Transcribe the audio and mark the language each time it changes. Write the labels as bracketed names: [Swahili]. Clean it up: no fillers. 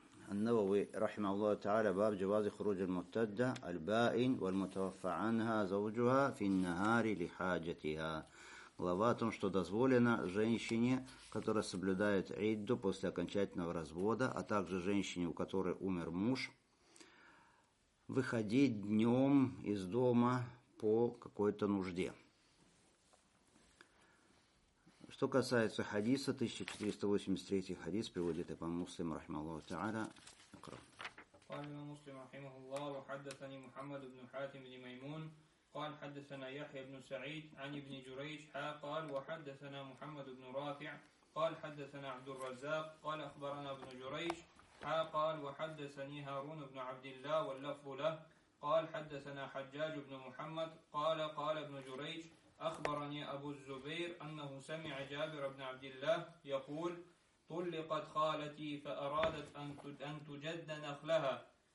[Arabic] النووي رحمه الله تعالى باب جواز خروج المرتدة البائن والمتوفى عنها زوجها في النهار لحاجتها [Russian] Глава о том, что дозволено женщине, которая соблюдает идду после окончательного развода, а также женщине, у которой умер муж, выходить днем из дома по какой-то нужде. Что касается хадиса, 1483 хадис приводит имам Муслим, рахмаллаху та'аля, икра. [Arabic] قال [Russian] имам Муслим, рахмаллаху, хаддасани Мухаммад ибн Хатим ибн Маймун, [Arabic] قال حدثنا يحيى بن سعيد عن ابن جريج قال وحدثنا محمد بن رافع قال حدثنا عبد الرزاق قال أخبرنا ابن جريج قال وحدثني هارون بن عبد الله واللفظ له قال حدثنا حجاج بن محمد قال ابن جريج أخبرني أبو الزبير أنه سمع جابر بن عبد الله يقول طلقت خالتي فأرادت أن تجد نخلها